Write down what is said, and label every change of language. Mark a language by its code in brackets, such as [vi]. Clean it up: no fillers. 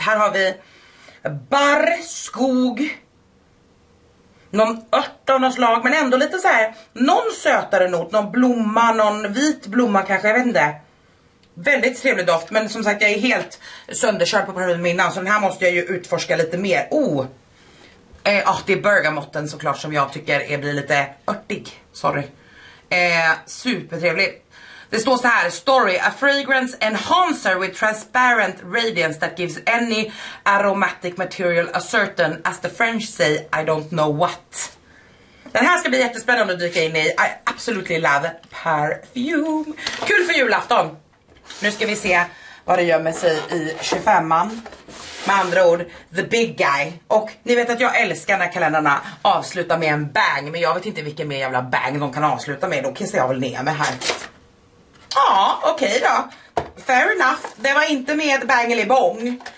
[sv] Här har vi barr, skog, någon ört av något slag, men ändå lite så här, någon sötare not, någon blomma, någon vit blomma kanske, jag vet inte. Väldigt trevlig doft, men som sagt, jag är helt sönderkörd på parfymen innan, så den här måste jag ju utforska lite mer. Det är bergamotten såklart som jag tycker är blir lite örtig, sorry. Supertrevlig. Det står så här: [en] story, a fragrance enhancer with transparent radiance that gives any aromatic material a certain, as the French say, I don't know what. [sv] Den här ska bli jättespännande att dyka in i. [en] I absolutely love perfume. [sv] Kul för julafton. Nu ska vi se vad det gör med sig i 25-man. Med andra ord, [en] the big guy. [sv] Och ni vet att jag älskar när kalendrarna avslutar med en bang. Men jag vet inte vilken mer jävla bang de kan avsluta med. Då kissar jag väl ner mig här. Ja, okej då. [en] Fair enough. [sv] Det var inte med bang eller bong.